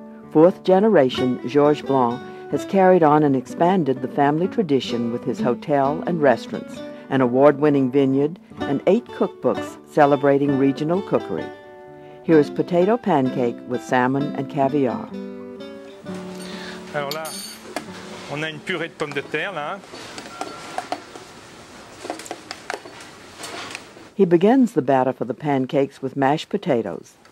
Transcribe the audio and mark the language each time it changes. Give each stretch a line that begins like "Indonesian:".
English: Fourth generation Georges Blanc has carried on and expanded the family tradition with his hotel and restaurants, an award-winning vineyard, and 8 cookbooks celebrating regional cookery. Here is potato pancake with salmon and caviar.
French: Alors là, on a une purée de pommes de terre là.
English: He begins the batter for the pancakes with mashed potatoes.